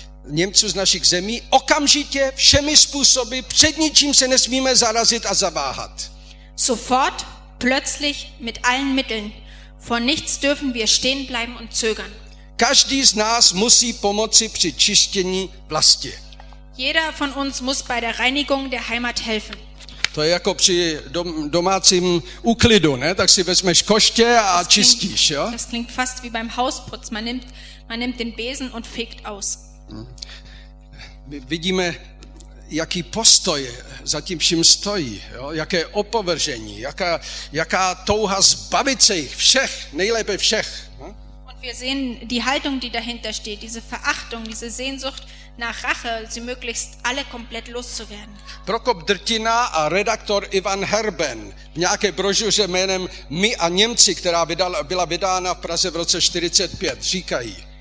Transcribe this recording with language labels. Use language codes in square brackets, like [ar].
[cs] Němců z našich zemí okamžitě všemi způsoby před ničím se nesmíme zarazit a zaváhat. [de] Sofort, plötzlich, mit allen Mitteln. Vor nichts dürfen wir stehen bleiben und zögern. [cs] Každý z nás musí pomoci při čištění vlasti. [de] Jeder von uns muss bei der Reinigung der Heimat helfen. [cs] To je jako při domácím úklidu, ne? Tak si vezmeš koště a čistíš, jo? [de] Das klingt fast wie beim Hausputz. Man nimmt den Besen und fegt aus. [cs] Vidíme, jaký postoj za tím vším stojí, jo? Jaké opovržení, jaká touha zbavit se jich všech, nejlépe všech. Jo? [de] Und wir sehen die Haltung, die dahinter steht, diese Verachtung, diese Sehnsucht nach Rache, sie möglichst alle komplett loszuwerden. [cs] Prokop Drtina a redaktor Ivan Herben v nějaké brožuře jménem My a Němci, která byla vydána v Praze v roce 45, říkají.